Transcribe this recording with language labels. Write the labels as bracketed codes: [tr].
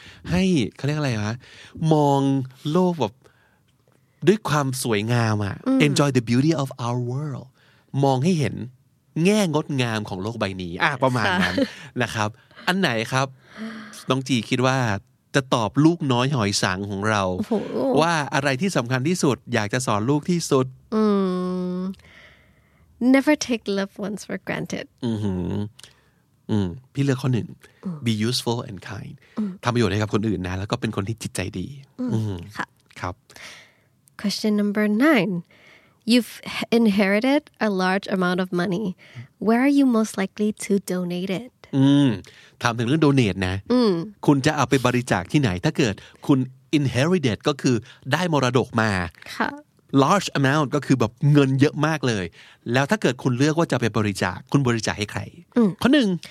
[th] ให้เขาเรียกอะไรวะมองโลกแบบด้วยความสวยงามอ่ะ [en] enjoy the beauty of our world [th] มองให้เห็นแง่งดงามของโลกใบนี้อ่ะประมาณนั้นนะครับอันไหนครับน้องจีคิดว่าจะตอบลูกน้อยหอยสังของเราว่าอะไรที่สำคัญที่สุดอยากจะสอนลูกที่สุด [en] Never take loved ones for granted [th] พี่เลือกข้อหนึ่ง [en] be useful and kind [th] ทำประโยชน์ให้กับคนอื่นนะแล้วก็เป็นคนที่จิตใจดี ครับ [en] question number 9 you've inherited a large amount of money where are you most likely to donate it [th] ถามถึงเรื่องโดเนทนะคุณจะเอาไปบริจาคที่ไหนถ้าเกิดคุณ inherited ก็คือได้มรดกมา [en] large amount [th] ก็คือแบบเงินเยอะมากเลยแล้วถ้าเกิดคุณเลือกว่าจะไปบริจาคคุณบริจาคให้ใครข้อหนึ่ง